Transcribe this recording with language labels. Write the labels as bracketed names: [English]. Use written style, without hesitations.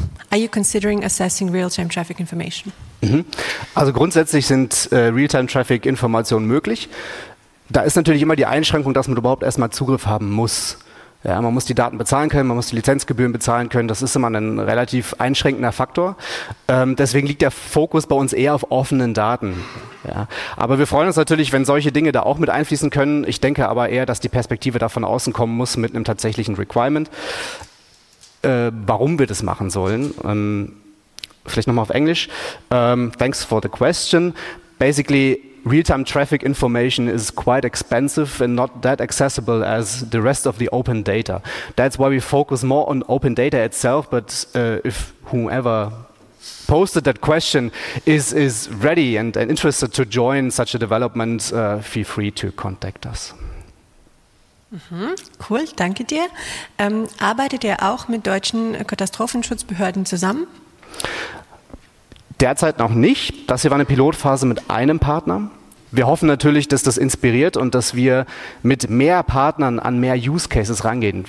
[English] Are you considering assessing real-time traffic information? [German] Also grundsätzlich sind Real-Time-Traffic-Informationen möglich. Da ist natürlich immer die Einschränkung, dass man überhaupt erstmal Zugriff haben muss. Ja, man muss die Daten bezahlen können, man muss die Lizenzgebühren bezahlen können. Das ist immer ein relativ einschränkender Faktor. Deswegen liegt der Fokus bei uns eher auf offenen Daten. Ja, aber wir freuen uns natürlich, wenn solche Dinge da auch mit einfließen können. Ich denke aber eher, dass die Perspektive da von außen kommen muss mit einem tatsächlichen Requirement. Warum wir das machen sollen, vielleicht nochmal auf Englisch. [English] Thanks for the question. Basically, real-time traffic information is quite expensive and not that accessible as the rest of the open data. That's why we focus more on open data itself, but if whoever posted that question is ready and interested to join such a development, feel free to contact us. [German] Cool, danke dir. Arbeitet ihr auch mit deutschen Katastrophenschutzbehörden zusammen? Derzeit noch nicht. Das hier war eine Pilotphase mit einem Partner. Wir hoffen natürlich, dass das inspiriert und dass wir mit mehr Partnern an mehr Use Cases rangehen.